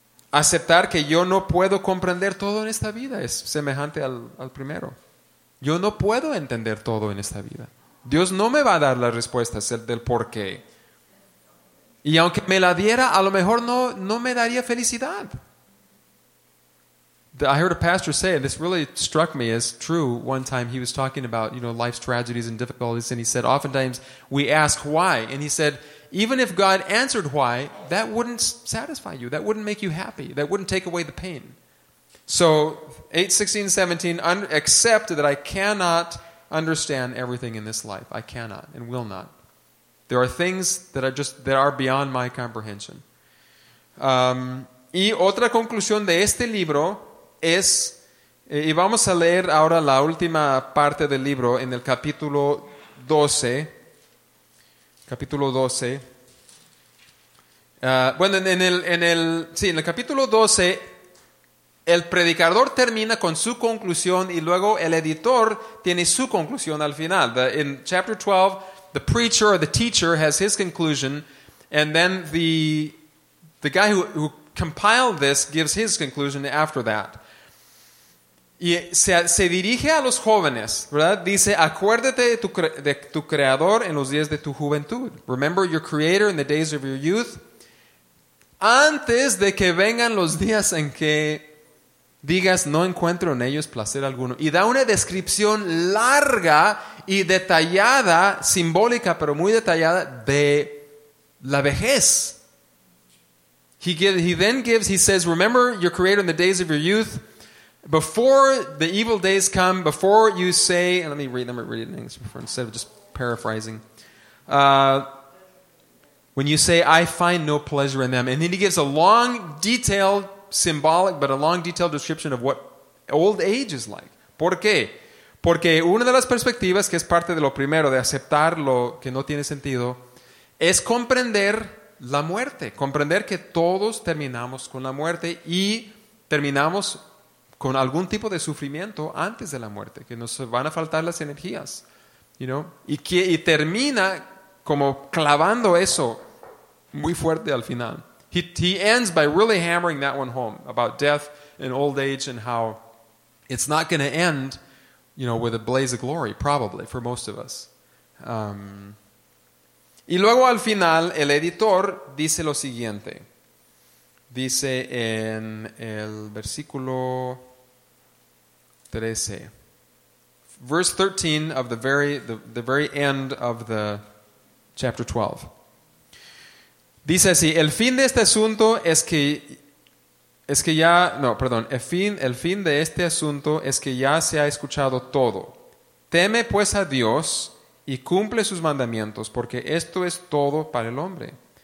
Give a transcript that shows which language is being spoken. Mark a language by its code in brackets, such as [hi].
[es] Aceptar que yo no puedo comprender todo en esta vida es semejante al primero. Yo no puedo entender todo en esta vida. Dios no me va a dar las respuestas del por qué. Y aunque me la diera, a lo mejor no me daría felicidad. [en] I heard a pastor say, and this really struck me as true, one time he was talking about, you know, life's tragedies and difficulties, and he said, oftentimes we ask why, and he said, even if God answered why, that wouldn't satisfy you, that wouldn't make you happy, that wouldn't take away the pain. So, 8:16-17, accept that I cannot understand everything in this life. I cannot and will not. There are things that are beyond my comprehension. [es] Y otra conclusión de este libro... es Y vamos a leer ahora la última parte del libro en el capítulo 12. Capítulo 12. Bueno, en el capítulo 12, el predicador termina con su conclusión y luego el editor tiene su conclusión al final. [en] In chapter 12, the preacher or the teacher has his conclusion, and then the guy who compiled this gives his conclusion after that. [es] Y se dirige a los jóvenes, ¿verdad? Dice, acuérdate de tu creador en los días de tu juventud. [en] Remember your creator in the days of your youth. [es] Antes de que vengan los días en que digas, no encuentro en ellos placer alguno. Y da una descripción larga y detallada, simbólica, pero muy detallada, de la vejez. [en] He says, remember your creator in the days of your youth. Before the evil days come, before you say, and let me read it in English before, instead of just paraphrasing. When you say, I find no pleasure in them. And then he gives a long, detailed, symbolic, but a long, detailed description of what old age is like. [es] ¿Por qué? Porque una de las perspectivas, que es parte de lo primero, de aceptar lo que no tiene sentido, es comprender la muerte. Comprender que todos terminamos con la muerte y terminamos con algún tipo de sufrimiento antes de la muerte, que nos van a faltar las energías, [en] you know? [es] Y termina como clavando eso muy fuerte al final. [en] He ends by really hammering that one home about death and old age and how it's not going to end, you know, with a blaze of glory, probably, for most of us. [es] Y luego al final, el editor dice lo siguiente. Dice en el versículo 13. [en] Verse 13 of the very end of the chapter 12. [es] Dice así, el fin de este asunto es que ya se ha escuchado todo. Teme pues a Dios y cumple sus mandamientos, porque esto es todo para el hombre.